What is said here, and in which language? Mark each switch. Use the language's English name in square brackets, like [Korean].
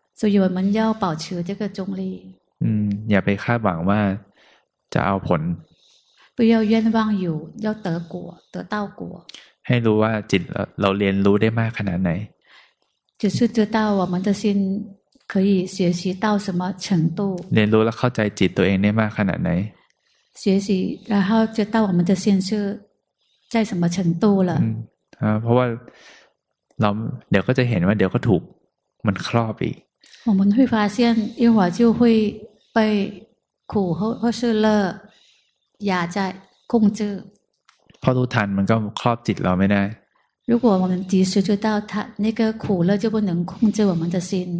[Chinese] 所以我们要保持这个中立 [Thai] อย่าไปคาดหวังว่าจะเอาผล [Chinese] 不要愿望有要得果得到果 [Thai] ให้รู้ว่าจิตเราเรียนรู้ได้มากขนาดไหน [Chinese] 只是知道我们的心可以学习到什么程度 [Thai] เรียนรู้แล้วเข้าใจจิตตัวเองได้มากขนาดไหน [Chinese] 学习然后知道我们的心是在什么程度了 [Thai] เพราะว่าเราเดี๋ยวก็จะเห็นว่าเดี๋ยวก็ถูกมันครอบอีก [Chinese] 我们会发现一会儿就会被苦或是乐压在控制 [Thai] พอรู้ทันมันก็ครอบจิตเราไม่ได้ [Chinese] 如果我们及时知道它那个苦乐就不能控制我们的心